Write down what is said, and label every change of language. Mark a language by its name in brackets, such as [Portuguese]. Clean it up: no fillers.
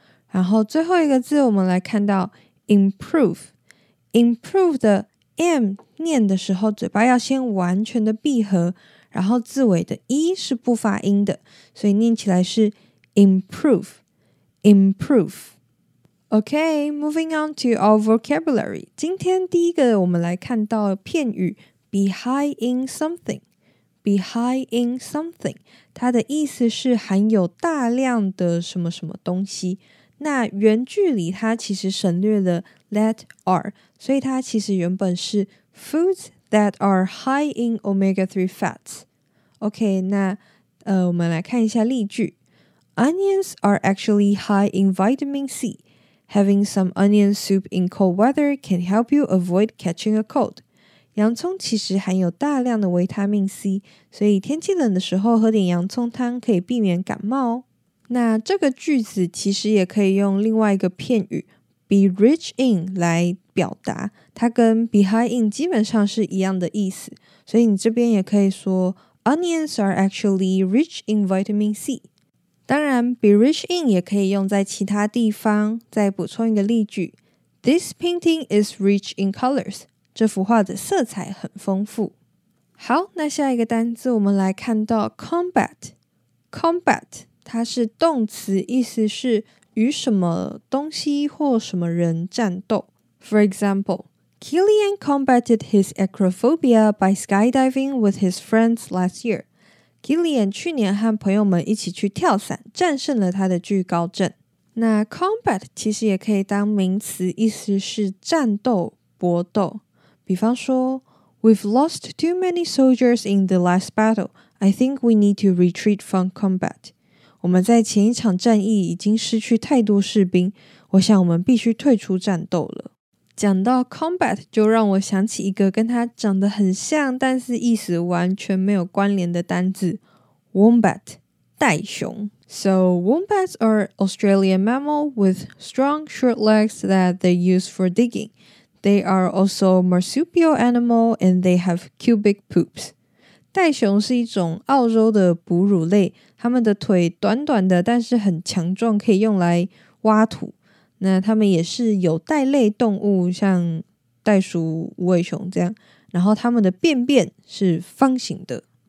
[Chinese] 然后最后一个字我们来看到 improve， improve 的 M 念的时候嘴巴要先完全的闭合，然后字尾的 E 是不发音的，所以念起来是 improve， improve。 [English] OK， moving on to our vocabulary， [Chinese] 今天第一个我们来看到片语 [English] be high in something。 [Chinese] Be high in something， 它的意思是含有大量的什么什么东西。那原句里它其实省略了 that are， 所以它其实原本是 foods that are high in omega-3 fats。 OK， 那我们来看一下例句。 [English] Onions are actually high in vitamin C. Having some onion soup in cold weather can help you avoid catching a cold. [Chinese] 洋葱其实含有大量的维他命 C， 所以天气冷的时候喝点洋葱汤可以避免感冒哦。那这个句子其实也可以用另外一个片语 be rich in 来表达，它跟 be high in 基本上是一样的意思，所以你这边也可以说 [English] onions are actually rich in vitamin C。 [Chinese] 当然 be rich in 也可以用在其他地方。再补充一个例句， [English] This painting is rich in colors， [Chinese] 这幅画的色彩很丰富。好，那下一个单字我们来看到 combat。combat 它是动词，意思是与什么东西或什么人战斗。 [English] For example, Killian combated his acrophobia by skydiving with his friends last year. [Chinese] Killian 去年和朋友们一起去跳伞，战胜了他的惧高症。那 combat 其实也可以当名词，意思是战斗、搏斗。比方说 [English] We've lost too many soldiers in the last battle. I think we need to retreat from combat. [Chinese] 我们在前一场战役已经失去太多士兵，我想我们必须退出战斗了。讲到 combat 就让我想起一个跟它长得很像但是意思完全没有关联的单字， Wombat， 袋熊。 [English] So wombats are Australian mammal with strong short legs that they use for diggingThey are also marsupial animal and they have cubic poops. [Chinese] 袋熊是一种澳洲的哺乳类，它们的腿短短的但是很强壮，可以用来挖土。那它们也是有袋类动物，像袋鼠、无尾熊这样，然后它们的便便是方形的。